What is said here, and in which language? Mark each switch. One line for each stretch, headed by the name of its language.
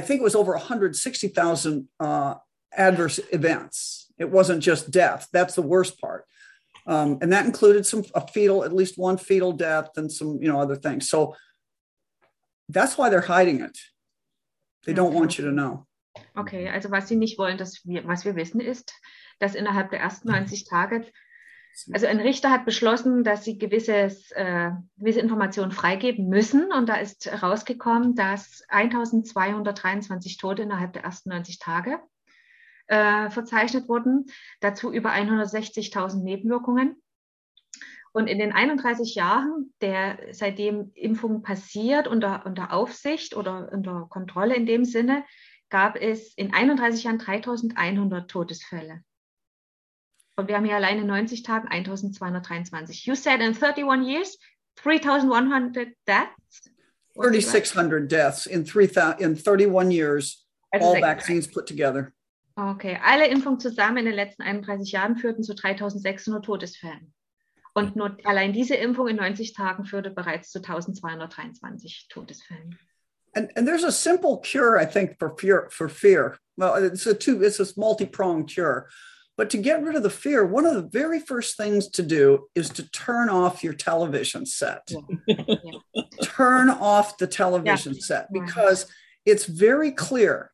English: think it was over 160,000 adverse events. It wasn't just death. That's the worst part. And that included at least one fetal death and some, you know, other things. So that's why they're hiding it. They don't want you to know.
German: Okay, also was sie nicht wollen, was wir wissen, ist, dass innerhalb der ersten 90 Tage, also ein Richter hat beschlossen, dass sie gewisse Informationen freigeben müssen. Und da ist rausgekommen, dass 1.223 Tote innerhalb der ersten 90 Tage verzeichnet wurden. Dazu über 160.000 Nebenwirkungen. Und in den 31 Jahren, seitdem Impfung passiert, unter Aufsicht oder unter Kontrolle in dem Sinne, gab es in 31 Jahren 3.100 Todesfälle. Und wir haben hier allein in 90 Tagen 1.223.
English: You said in 31 years, 3.100 deaths? 3.600 deaths in 31 years, all vaccines put together.
German: Okay, alle Impfungen zusammen in den letzten 31 Jahren führten zu 3.600 Todesfällen. Und nur allein diese Impfung in 90 Tagen führte bereits zu 1223 Todesfällen.
English: And there's a simple cure, I think, for fear. Well, it's a multi-pronged cure. But to get rid of the fear, one of the very first things to do is to turn off your television set. Turn off the television set, because it's very clear.